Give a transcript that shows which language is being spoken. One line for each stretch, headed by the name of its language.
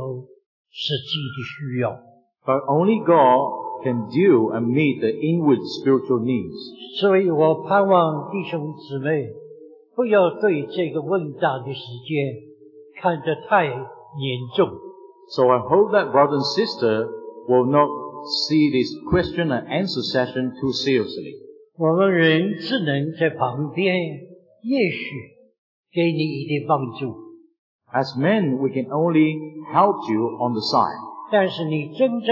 Chinese: 只有神能解决我们心灵里头实际的需要。
English: But only God can deal and meet the inward spiritual needs.
Chinese: 所以我盼望弟兄姊妹不要对这个问答的时间看得太严重。
English: So I hope that brother and sister will not see this question and answer session too seriously.
Chinese: 我们人只能在旁边，也许给你一点帮助。
English: As men, we can only help you on the side.